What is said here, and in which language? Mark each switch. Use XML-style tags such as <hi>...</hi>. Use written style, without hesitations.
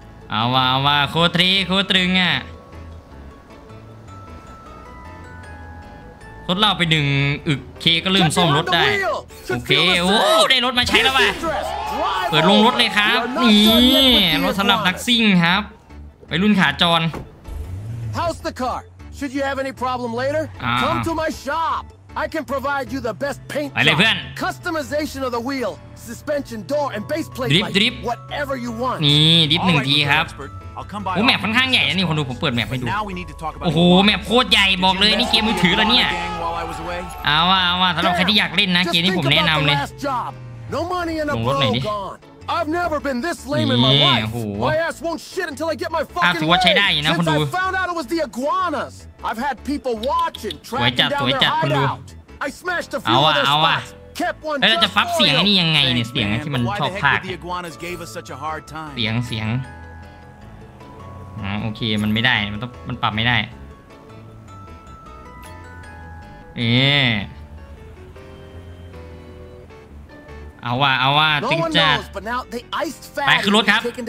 <th>เอาว่าโคตรีโคตรึงอ่ะรถเล่าไปหนึ่งอึกเคก็เริ่มซ่อมรถได้โอเคโอ้ได้รถมาใช้แล้วว่ะเปิดลงรถเลยครับนี่รถสำหรับนักซิ่งครับไปรุ่นขาจร</th> <en>How's the car? Should you have any problem later? Come to my shopI can provide you the best paint job, customization of the wheel, suspension, door, and base plate like whatever you want.</en> <th>นี่ดริฟต์หนึ่งทีครับโอ้แมปค่อนข้างใหญ่นี่คนดูผมเปิดแมปให้ดูโอ้โหแมปโคตรใหญ่บอกเลยนี่เกมมือถือแล้วเนี่ยเอาว่าสำหรับใครที่อยากเล่นนะเกมนี้ผมแนะนำเลยลงรถหน่อยดิ</th> <en>I've never been this lame in my life. My ass won't shit until I get my fucking legs. Since I found out it was the iguanas, I've had people watching, tracking down their hideout. I smashed a few of their spots. Kept one just for you. Thanks, man. But why the heck did the iguanas give us such a hard time? Why the heck did the iguanas give us such a hard time?</en> <th>เสียง โอเค มันไม่ได้ มันปรับไม่ได้ เอ๊ะเอาว่าจริงจ้าไปขึ้นรถครับ</th>